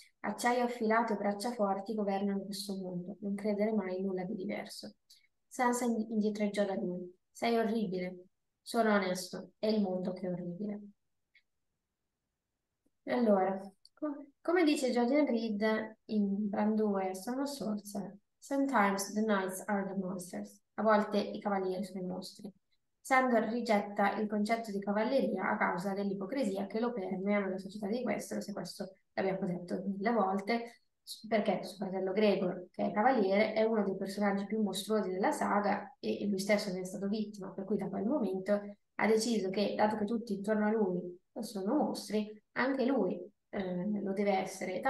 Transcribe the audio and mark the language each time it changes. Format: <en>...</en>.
<it>Acciaio affilato e braccia forti governano questo mondo. Non credere mai in nulla di diverso. Sansa indietreggiò da lui. Sei orribile. Sono onesto. È il mondo che è orribile. E allora, come dice Jordan Reed in Bran 2, sono sorcera.</it> <en>Sometimes the knights are the monsters.</en> <it>A volte i cavalieri sono i mostri. Sandor rigetta il concetto di cavalleria a causa dell'ipocrisia che lo permea nella società di Westeros, se questo l'abbiamo detto 1.000 volte, perché suo fratello Gregor, che è cavaliere, è uno dei personaggi più mostruosi della saga e lui stesso ne è stato vittima, per cui da quel momento ha deciso che, dato che tutti intorno a lui sono mostri, anche lui lo deve essere.</it>